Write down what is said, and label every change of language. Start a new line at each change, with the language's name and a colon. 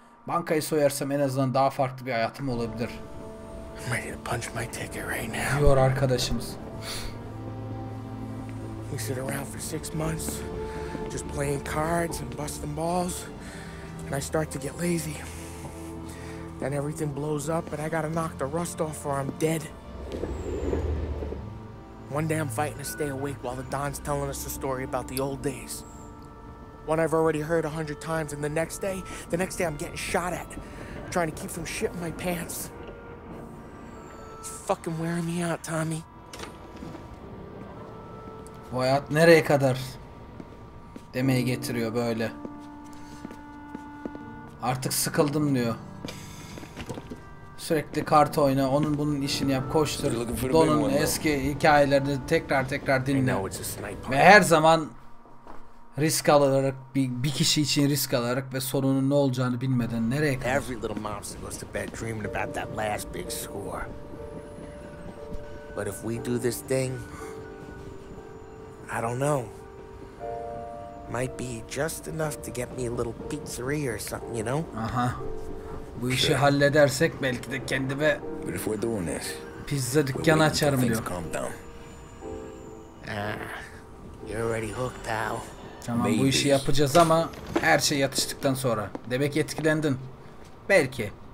Turkish: Bankayı soyarsam en azından daha farklı bir hayatım olabilir.
English: I'm ready to punch my ticket right now.
Turkish: Diyor arkadaşımız.
English: We sit around for six months, just playing cards and busting balls. And I start to get lazy. Then everything blows up and I gotta knock the rust off or I'm dead. One day I'm fighting to stay awake while the Don's telling us a story about the old days. One I've already heard 100 times and the next day I'm getting shot at. Trying to keep from shitting my pants. Fucking wearing me out, Tommy.
Turkish: Bu hayat nereye kadar demeye getiriyor böyle. Artık sıkıldım diyor. Sürekli kart oyna, onun bunun işini yap, koştur. Don'un eski hikayelerini tekrar dinle. Ve her zaman risk alarak, bir kişi için risk alarak ve sorunun ne olacağını bilmeden nereye kadar?
English: Every little monster goes to bed dreaming about that last big score. But if we do this thing, I don't know. Might be just enough to get me a little pizzeria or something, you know?
Turkish: Aha. Bu işi
English: sure.
Turkish: Halledersek belki de kendime pizza dükkanı açarım diyor.
English: You're already hooked, pal.
Turkish: Tamam, bu işi yapacağız ama her şey yatıştıktan sonra. Demek etkilendin. Belki.